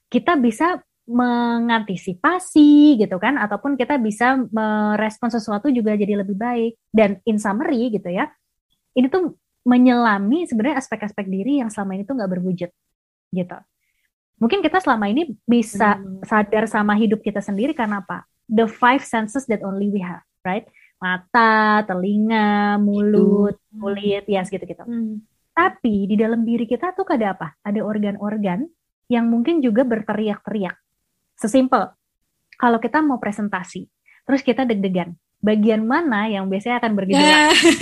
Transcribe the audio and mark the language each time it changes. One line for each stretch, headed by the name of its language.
Indonesian: Kita bisa mengantisipasi gitu kan, ataupun kita bisa merespon sesuatu juga jadi lebih baik. Dan
English: in summary
Indonesian: gitu ya, ini tuh menyelami sebenarnya aspek-aspek diri yang selama ini tuh nggak berwujud gitu. Mungkin kita selama ini bisa sadar sama hidup kita sendiri karena apa?
English: The five senses that only we have, right?
Indonesian: Mata, telinga, mulut, kulit, ya gitu-gitu. Tapi di dalam diri kita tuh ada apa? Ada organ-organ yang mungkin juga berteriak-teriak. Sesimpel, kalau kita mau presentasi, terus kita deg-degan, bagian mana yang biasanya akan bergejolak?